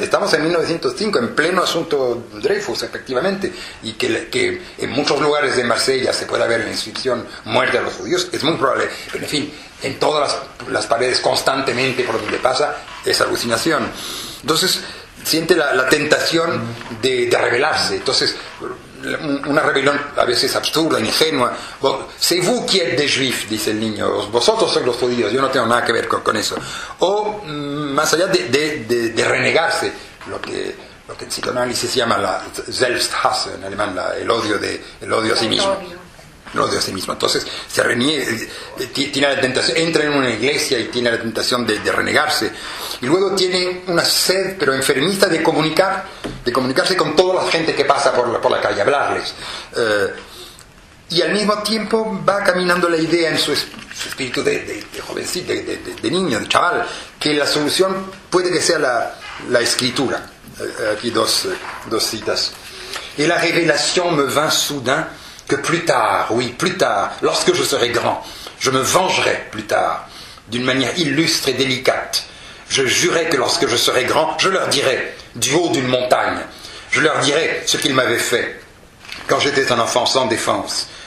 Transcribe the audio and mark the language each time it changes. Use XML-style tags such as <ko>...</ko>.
<es>Estamos en 1905, en pleno asunto Dreyfus, efectivamente, y que en muchos lugares de Marsella se pueda ver la inscripción Muerte a los judíos, es muy probable, pero en fin, en todas las paredes constantemente por donde pasa es alucinación. Entonces siente la tentación de rebelarse. Entonces, una rebelión a veces absurda, ingenua.</es> <fr>C'est vous qui êtes des juifs,</fr> <es>dice el niño. Vosotros sois los judíos, yo no tengo nada que ver con eso. O, más allá de renegarse, lo que lo que en psicoanálisis se llama la Selbsthass, en alemán la, el odio a sí mismo. El odio a sí mismo. Entonces se reniega, tiene la tentación, entra en una iglesia y tiene la tentación de renegarse, y luego tiene una sed pero enfermiza de comunicar, de comunicarse con toda la gente que pasa por la calle, hablarles, y al mismo tiempo va caminando la idea en su espíritu de jovencito, de niño, de chaval, que la solución puede que sea la escritura. Aquí dos citas.</es> <fr>Et la révélation me vint soudain que plus tard, oui, plus tard, lorsque je serai grand, je me vengerai plus tard, d'une manière illustre et délicate. Je jurai que lorsque je serai grand, je leur dirai, du haut d'une montagne, je leur dirai ce qu'ils m'avaient fait quand j'étais un enfant sans défense.</fr>